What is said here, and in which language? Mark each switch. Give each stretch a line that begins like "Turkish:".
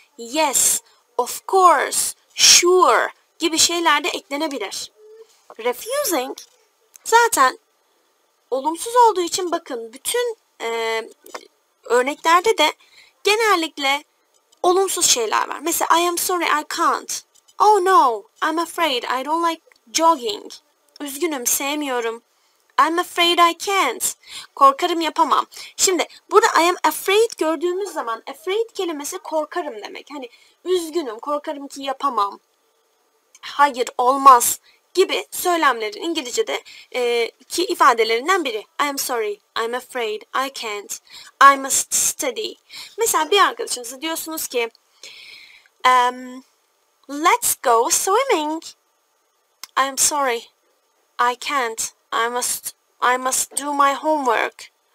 English: Yes, of course, sure
Turkish: gibi şeyler de eklenebilir. Refusing, zaten olumsuz olduğu için bakın bütün örneklerde de genellikle olumsuz şeyler var. Mesela
English: I am sorry I can't. Oh no, I'm afraid I don't like jogging.
Turkish: Üzgünüm, sevmiyorum.
English: I'm afraid I can't.
Turkish: Korkarım, yapamam. Şimdi burada
English: I am afraid
Turkish: gördüğümüz zaman afraid kelimesi korkarım demek. Hani üzgünüm, korkarım ki yapamam. Hayır, olmaz. Gibi söylemlerin İngilizce'de ki ifadelerinden biri.
English: I'm sorry, I'm afraid, I can't, I must study.
Turkish: Mesela bir arkadaşınıza diyorsunuz ki,
English: let's go swimming. I'm sorry, I can't, I must do my homework.